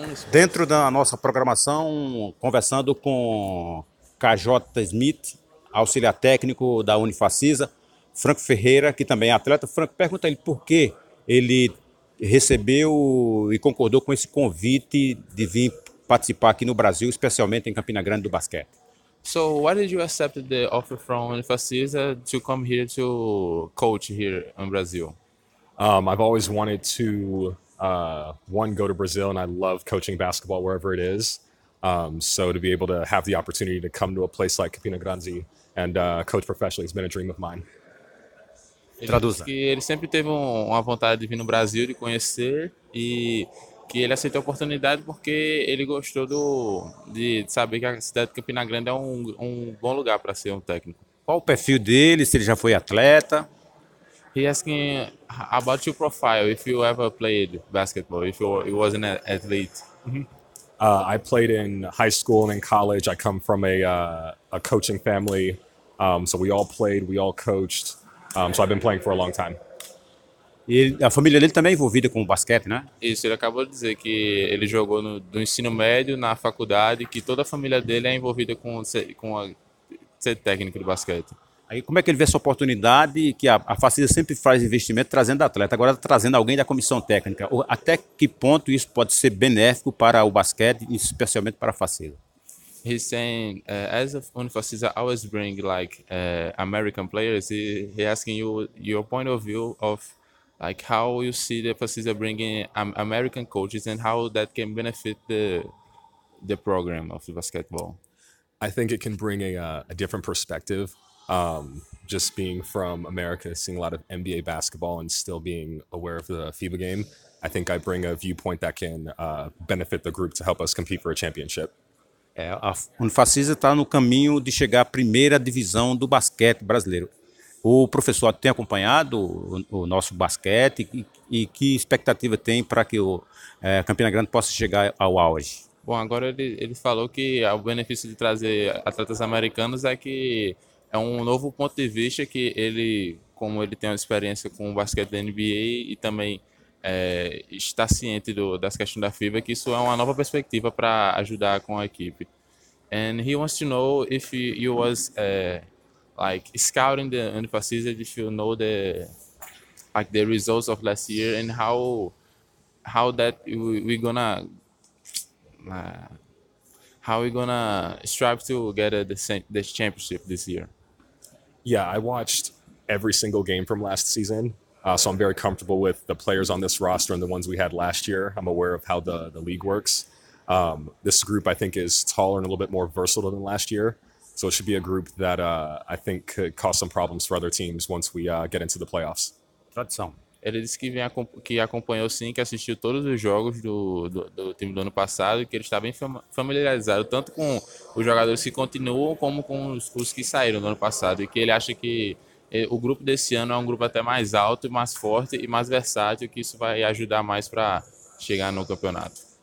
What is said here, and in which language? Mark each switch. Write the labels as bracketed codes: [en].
[pt] Dentro da nossa programação, conversando com KJ Smith, auxiliar técnico da Unifacisa, Franco Ferreira, que também é atleta. Franco, pergunta a ele por que ele recebeu e concordou com esse convite de vir participar aqui no Brasil, especialmente em Campina Grande do basquete. [en] So, why did you accept the offer from Unifacisa to come here to coach here in Brazil? I've always wanted to, one, go to Brazil, and I love coaching basketball wherever it is. So to be able to have the opportunity to come to a place like Campina Grande and coach professionally has been a dream of mine. [pt] Traduza. Ele sempre teve uma vontade de vir no Brasil, de conhecer, e que ele aceitou a oportunidade porque ele gostou de saber que a cidade de Campina Grande é um bom lugar para ser um técnico. Qual o perfil dele, se ele já foi atleta? [en] He asking about your profile, if you ever played basketball, if you was an athlete. I played in high school and in college. I come from a coaching family. So we all played, we all coached. So I've been playing for a long time. [pt] E a família dele também é envolvida com o basquete, né? Isso, ele acabou de dizer que ele jogou no ensino médio, na faculdade, que toda a família dele é envolvida com ser técnico de basquete. Aí como é que ele vê essa oportunidade que a Facisa sempre faz investimento trazendo atleta, agora trazendo alguém da comissão técnica? Ou até que ponto isso pode ser benéfico para o basquete, especialmente para a Facisa? [en] He's saying, as of Unifacisa always bring like American players, he asking you your point of view of like how you see the Facisa bringing American coaches and how that can benefit the program of the basketball. I think it can bring a different perspective. Just being from America, seeing a lot of NBA basketball and still being aware of the FIBA game, I think I bring a viewpoint that can benefit the group to help us compete for a championship. [pt] A Unifacisa está no caminho de chegar à primeira divisão do basquete brasileiro. O professor tem acompanhado o nosso basquete e que expectativa tem para que o Campina Grande possa chegar ao auge? Bom, agora ele falou que o benefício de trazer atletas americanos é que é um novo ponto de vista que ele, como ele tem uma experiência com o basquete da NBA e também está ciente das questões da FIBA, que isso é uma nova perspectiva para ajudar com a equipe. [en] And he wants to know if you was like scouting the Unifacisa, if you know the like the results of last year and how that we gonna strive to get the championship this year. Yeah, I watched every single game from last season. So I'm very comfortable with the players on this roster and the ones we had last year. I'm aware of how the league works. This group, I think, is taller and a little bit more versatile than last year. So it should be a group that I think could cause some problems for other teams once we get into the playoffs. [pt] Tradição. Ele disse que acompanhou sim, que assistiu todos os jogos do time do ano passado e que ele está bem familiarizado tanto com os jogadores que continuam como com os que saíram do ano passado e que ele acha que o grupo desse ano é um grupo até mais alto, mais forte e mais versátil, que isso vai ajudar mais para chegar no campeonato.